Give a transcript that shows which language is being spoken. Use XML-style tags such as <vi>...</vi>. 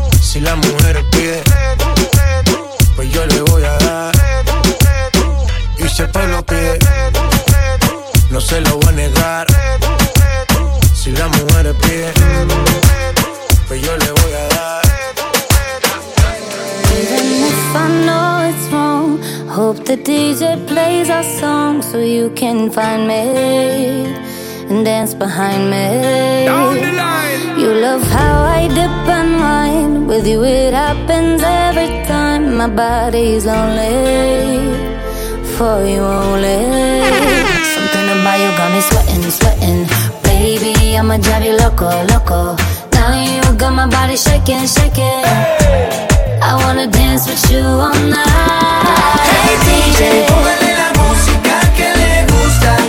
<es>Si las mujeres piden, pues yo le voy a dar. Y si el pueblo pide, no se lo voy a negar. Si las mujeres piden, pues yo le voy a dar.</es> <en>Even if I know it's wrong, hope the DJ plays our song so you can find me and dance behind me. Down the line. You love how I dip and wind. With you it happens every time. My body's lonely for you only. Something about you got me sweating, sweating. Baby, I'ma drive you loco, loco. Now you got my body shaking, shaking. Hey. I wanna dance with you all night.</en> <es>Hey DJ, póngale la música que le gusta.</es>